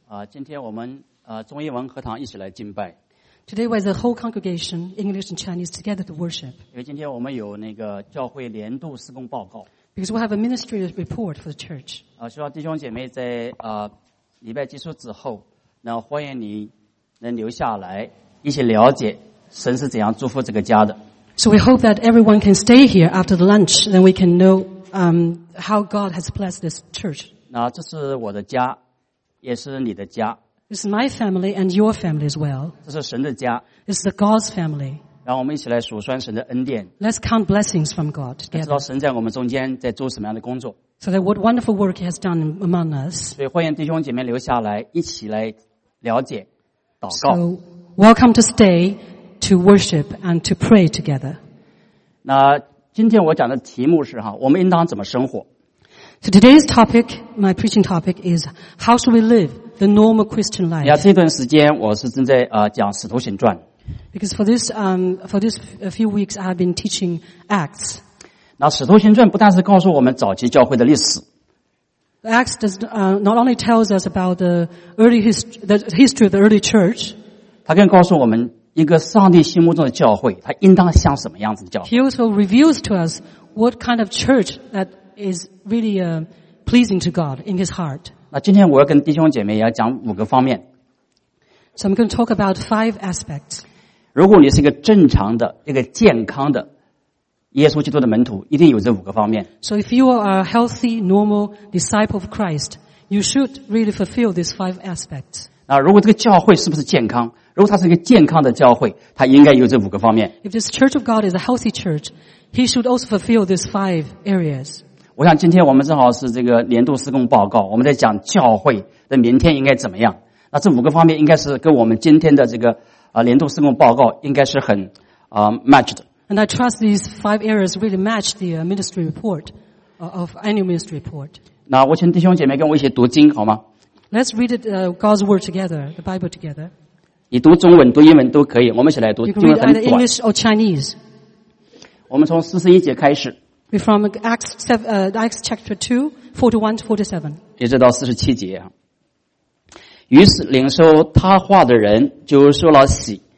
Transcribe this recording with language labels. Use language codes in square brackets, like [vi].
[zh] 今天我们中英文课堂一起来敬拜。 [en] Today with the whole congregation, English and Chinese, together to worship. [zh] 因为今天我们有那个教会年度施工报告。 [en] Because we have a ministry report for the church. [zh] 希望弟兄姐妹在礼拜结束之后，那欢迎你能留下来一起了解神是怎样祝福这个家的。 [en] So we hope that everyone can stay here after the lunch, then we can know how God has blessed this church. [zh] 那这是我的家，也是你的家。 [en] This is my family and your family as well. [zh] 这是神的家。 [en] This is the God's family. [zh] 让我们一起来数算神的恩典。 [en] Let's count blessings from God together. [zh] 知道神在我们中间在做什么样的工作。 [en] So that what wonderful work He has done among us. [zh] 所以欢迎弟兄姐妹留下来，一起来了解，祷告。 [en] So welcome to stay. To worship and to pray together. [zh] 那今天我讲的题目是哈，我们应当怎么生活。 [en] So today's topic, my preaching topic is how should we live the normal Christian life. [zh] 这段时间我是正在讲《使徒行传》。 [en] Because for this few weeks I've been teaching Acts. [zh] 那《使徒行传》不但是告诉我们早期教会的历史。 [en] Acts does not only tells us about the history of the early church. [zh] 它更告诉我们。一个上帝心目中的教会，它应当像什么样子的教会 [en] ？He also reveals to us what kind of church that is really pleasing to God in His heart. [zh] 那今天我要跟弟兄姐妹要讲五个方面。 [en] So I'm going to talk about five aspects. [zh] 如果你是一个正常的、一个健康的耶稣基督的门徒，一定有这五个方面。 [en] So if you are a healthy, normal disciple of Christ, you should really fulfill these five aspects. [zh] 那如果这个教会是不是健康？如果它是一个健康的教会，它应该有这五个方面。 [en] If this church of God is a healthy church, he should also fulfill these five areas. [zh] 我想今天我们正好是这个年度施工报告，我们在讲教会的明天应该怎么样。那这五个方面应该是跟我们今天的这个年度施工报告应该是很matched. [en] And I trust these five areas really match the ministry report of annual ministry report. [zh] 那我请弟兄姐妹跟我一起读经好吗 [en] ？Let's read God's word together, the Bible together. [zh] 你读中文、读英文都可以，我们一起来读，因为很短。 [en] English or Chinese. [zh] 我们从41节开始。 [en] We from Acts chapter 2:41-47. [zh] 一直到47节。于是领受他话的人就受了洗。